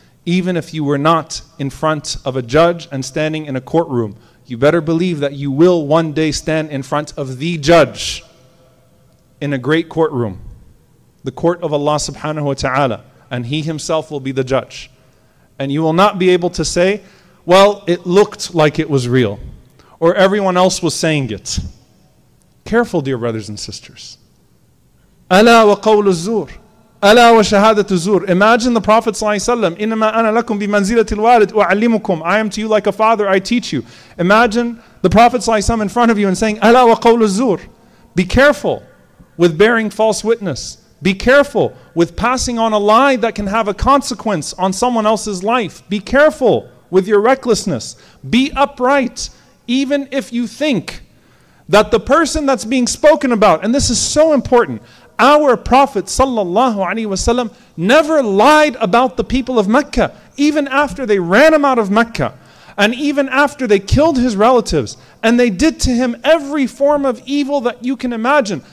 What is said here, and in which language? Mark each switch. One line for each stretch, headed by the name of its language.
English: Even if you were not in front of a judge and standing in a courtroom, you better believe that you will one day stand in front of the judge in a great courtroom, the court of Allah subhanahu wa ta'ala, and He Himself will be the judge. And you will not be able to say, well, it looked like it was real, or everyone else was saying it. Careful, dear brothers and sisters.
Arabic: Ala wa qawl az-zur. Ala wa shahadatu az-zur.
English: Imagine the Prophet ﷺ,
Arabic: إِنَّمَا أَنَا لَكُمْ بِمَنْزِلَةِ الْوَالِدِ وَعَلِّمُكُمْ.
English: I am to you like a father, I teach you. Imagine the Prophet ﷺ in front of you and saying,
Arabic: Ala wa qawl az-zur.
English: Be careful with bearing false witness. Be careful with passing on a lie that can have a consequence on someone else's life. Be careful with your recklessness. Be upright, even if you think that the person that's being spoken about, and this is so important, our Prophet sallallahu alaihi wasallam never lied about the people of Mecca, even after they ran him out of Mecca, and even after they killed his relatives, and they did to him every form of evil that you can imagine.